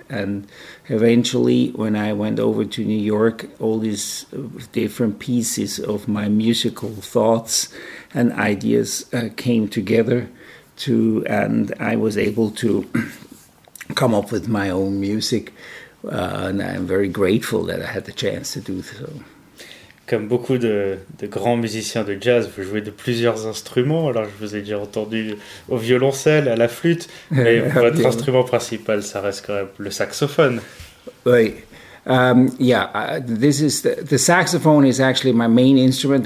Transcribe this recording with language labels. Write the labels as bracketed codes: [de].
[en] And eventually, when I went over to New York, all these different pieces of my musical thoughts and ideas came together, and I was able to come up with my own music. And I'm very grateful that I had the chance to do so. [fr] Comme beaucoup de grands musiciens de jazz, vous jouez de plusieurs instruments. Alors, je vous ai déjà entendu au violoncelle, à la flûte, mais votre instrument principal, ça reste quand même le saxophone. Oui. [en] This is the saxophone is actually my main instrument.